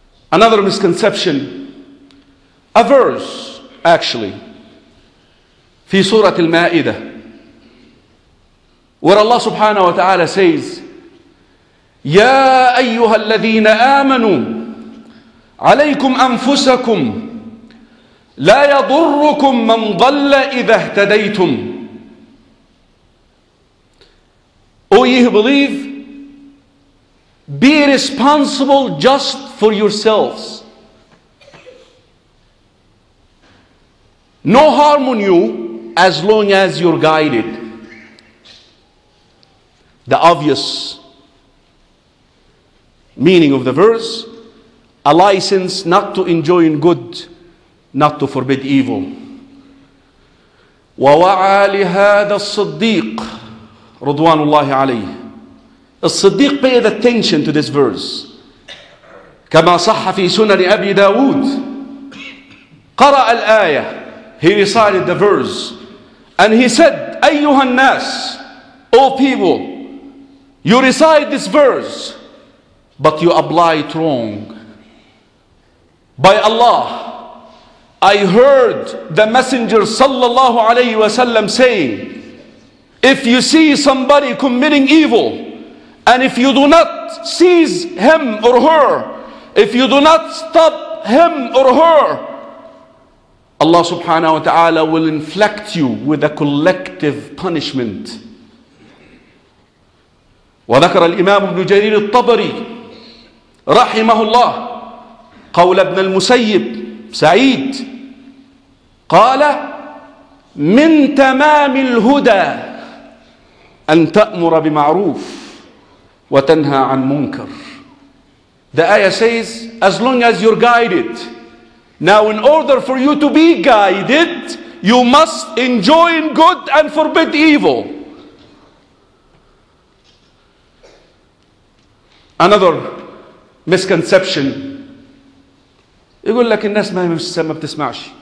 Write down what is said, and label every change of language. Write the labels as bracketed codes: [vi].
[en] Another misconception, a verse actually, [ar] في سورة المائدة, [en] where Allah subhanahu wa ta'ala says, [ar] يا أيها الذين آمنوا عليكم أنفسكم لا يضركم من ضل إذا اهتديتم. [en] O ye who believe, be responsible just for yourselves. No harm on you as long as you're guided. The obvious meaning of the verse, a license not to enjoin good not to forbid evil. [ar] ووعى لهذا الصديق رضوان الله عليه. [en] الصديق paid attention to this verse. [ar] كما صح في سنن أبي داود قرأ الآية. [en] He recited the verse. And he said, [ar] أيها الناس, [en] O people, you recite this verse, but you apply it wrong. By Allah, I heard the Messenger sallallahu alayhi wa sallam saying, if you see somebody committing evil, and if you do not seize him or her, if you do not stop him or her, Allah subhanahu wa ta'ala will inflict you with a collective punishment. [ar] وذكر الإمام ابن جرير الطبري رحمه الله قول ابن المسيب سعيد قال من تمام الهدى أن تأمر بمعروف وتنهى عن منكر. [en] The ayah says, as long as you're guided. Now, in order for you to be guided, you must enjoin good and forbid evil. Another misconception. [ar] يقول لك الناس ما بتسمعش.